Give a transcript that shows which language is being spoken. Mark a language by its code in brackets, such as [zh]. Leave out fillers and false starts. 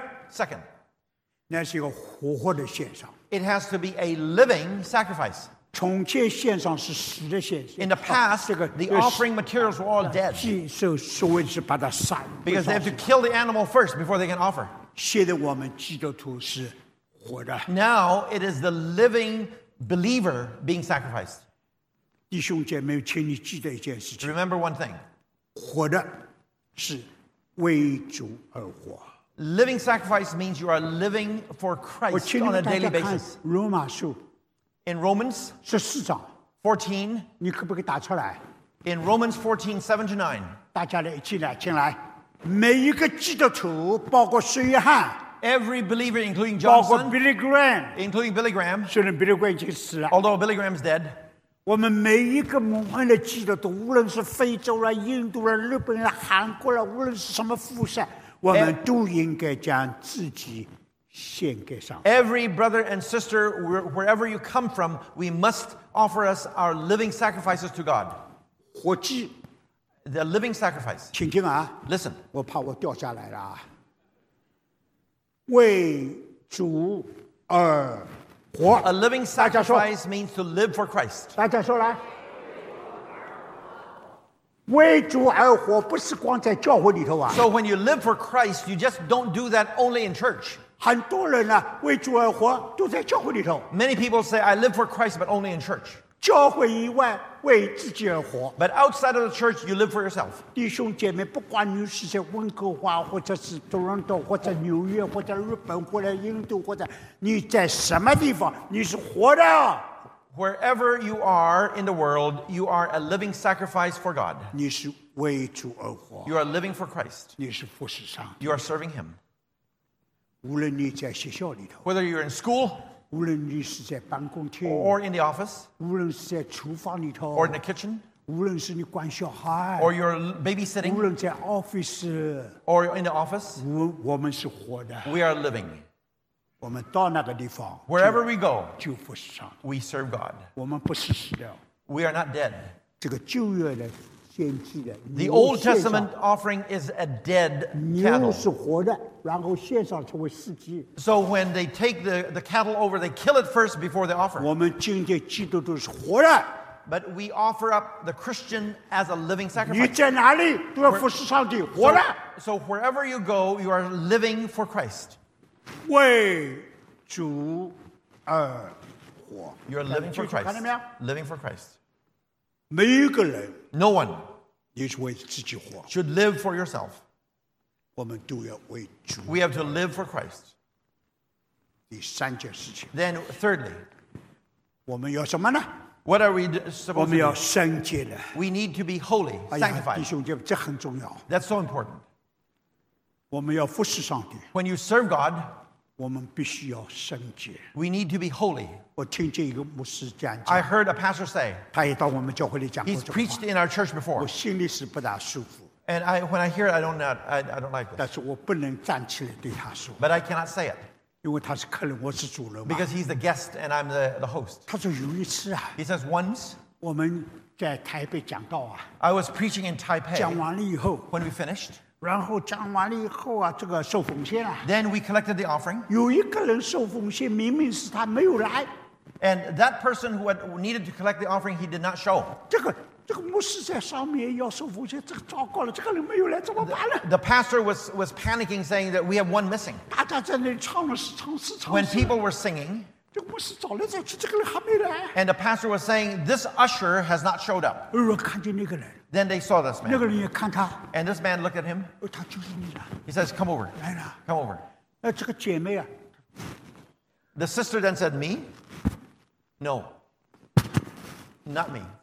[en] Second, [zh] 那是一个活活的献上。 [en] It has to be a living sacrifice. [zh] 从前献上是死的献上。 [en] In the past, the offering materials were all dead. [zh] 所以是把它杀。 [en] Because they have to kill the animal first before they can offer. [zh] 现在我们基督徒是活的。 [en] Now it is the living believer being sacrificed. [zh] 弟兄姐妹，请你记得一件事情。 [en] Remember one thing. [zh] 活的是为主而活。 [en] Living sacrifice means you are living for Christ on a daily basis. [zh] 罗马书。 [en] In Romans [zh] 14章。 14。你可不可以打出来 [en] ？In Romans 14:7-9. [zh] 大家来一起来，进来。每一个基督徒，包括施约翰。 [en] Every believer, including Johnson. [zh] 包括 Billy Graham. [en] Including Billy Graham. [zh] 虽然 Billy Graham 已经死了。 [en] Although Billy Graham is dead. [zh] 我们每一个蒙恩的基督徒，无论是非洲了、印度了、日本了、韩国了，无论是什么肤色，我们都应该将自己献给上帝。 [en] Every brother and sister, wherever you come from, we must offer us our living sacrifices to God. [zh] 活祭 [en] the living sacrifice. [zh] 请听啊 [en] ，listen. [zh] 我怕我掉下来了啊。为主而。 [en] A living sacrifice means to live for Christ. [zh] 大家说来，为主而活不是光在教会里头啊。 [en] So when you live for Christ, you just don't do that only in church. [zh] 很多人啊，为主而活都在教会里头。 [en] Many people say I live for Christ, but only in church. [zh] 教会以外为自己而活。 [en] But outside of the church, you live for yourself. [zh] 弟兄姐妹，不管你是在温哥华，或者是多伦多，或者纽约，或者日本，或者印度，或者你在什么地方，你是活的。 [en] Wherever you are in the world, you are a living sacrifice for God. [zh] 你是为主而活。 [en] You are living for Christ. [zh] 你是服侍上帝。 [en] You are serving Him. [zh] 无论你在学校里头。 [en] Whether you're in school. [zh] 无论你是在办公厅 [en] or in the office, [zh] 无论是在厨房里头 [en] or in the kitchen, [zh] 无论是你管小孩 [en] or you're babysitting, [zh] 无论在 office, [en] or in the office, [zh] 我们是活的 [en] we are living, [zh] 我们到那个地方 [en] wherever we go, [zh] 就服侍上帝 [en] we serve God, [zh] 我们不是死的 [en] we are not dead, [zh] 这个旧约的献祭的 [en] the Old Testament offering is a dead cattle, [zh] 牛是活的然后献上成为祭祭。 [en] So when they take the cattle over, they kill it first before they offer. [zh] 我们今天基督徒是活的。 [en] But we offer up the Christian as a living sacrifice. [zh] 你在哪里都要服侍上帝，活的。 [en] So wherever you go, you are living for Christ. [zh] 为主而活。 [en] You're living for Christ. Living for Christ. [zh] 每一个人 [en] ，No one， [zh] 你是为自己活。 [en] Should live for yourself. [zh] 我们都要为主。 [en] We have to live for Christ. [zh] 第三件事情。 [en] Then thirdly, [zh] 我们要什么呢 [en] ？What are we supposed to do? [zh] 我们要圣洁的。 [en] We need to be holy, sanctified. [zh] 弟兄姐妹，这很重要。 [en] That's so important. [zh] 我们要服侍上帝。 [en] When you serve God, [zh] 我们必须要圣洁。 [en] We need to be holy. [zh] 我听见一个牧师讲。 [en] I heard a pastor say. [zh] 他也到我们教会里讲过这个话。 [en] He's preached in our church before. [zh] 我心里是不大舒服。 [en] And I, when I hear it, I don't like this. But I cannot say it. Because he's the guest and I'm the host. [zh] 他说有一次啊, [en] he says once, [zh] 我们在台北讲道啊, [en] I was preaching in Taipei. [zh] 讲完了以后, [en] when we finished, [zh] 然后讲完了以后啊, 这个受奉献啊, [en] then we collected the offering. [zh] 有一个人受奉献, 明明是他没有来, [en] and that person who had needed to collect the offering, he did not show. [zh] 这个牧师在上面要受奉献，这个糟糕了，这个人没有来，怎么办呢？The [en] pastor was panicking, saying that we have one missing. [zh] 大家在那里唱了十唱四唱四。 [en] When people were singing, [zh] 这个牧师找来找去，这个人还没来。 [en] And the pastor was saying, this usher has not showed up. [zh] 有人看见那个人。 [en] Then they saw this man. [zh] 那个人也看他。 [en] And this man looked at him. [zh] 他就是你了。 [en] He says, come over. [zh] 来了。 [en] Come over. [zh] 这个姐妹啊。 [en] The sister then said, me? No. Not me.